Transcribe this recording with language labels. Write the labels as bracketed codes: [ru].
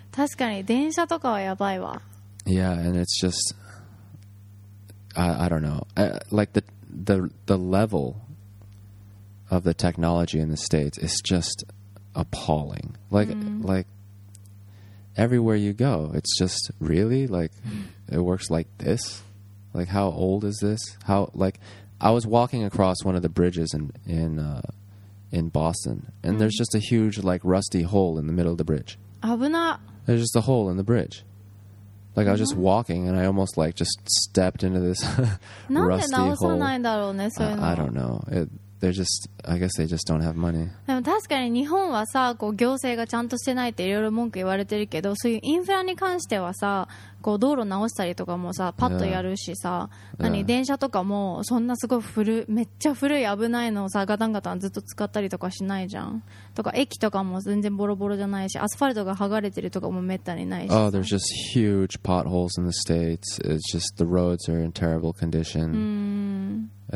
[ja] 確かに、電車とかはやばいわ。 [en] Yeah, and it's just... I don't know. The level of the technology in the States is just appalling. Like everywhere you go, it's just really like it works like this. Like, how old is this? How, like, I was walking across one of the bridges in Boston, and there's just a huge, like, rusty hole in the middle of the bridge. [ja] 危な。 [en] There's just a hole in the bridge. Like, I was just walking, and I almost, like, just stepped into this rusty hole. [ja] なんで直さないんだろうね、そういうの。 [en] I don't know. I guess they just don't have money. [ja] でも確かに日本はさ、こう行政がちゃんとしてないっていろいろ文句言われてるけど、そういうインフラに関してはさ、こう道路直したりとかもさ、パッとやるしさ、電車とかもそんなすごい古、めっちゃ古い危ないのをさ、ガタンガタンずっと使ったりとかしないじゃん。とか駅とかも全然ボロボロじゃないし、アスファルトが剥がれてるとかもめったにないし。 [en] Oh, there's just huge potholes in the States. It's just the roads are in terrible condition.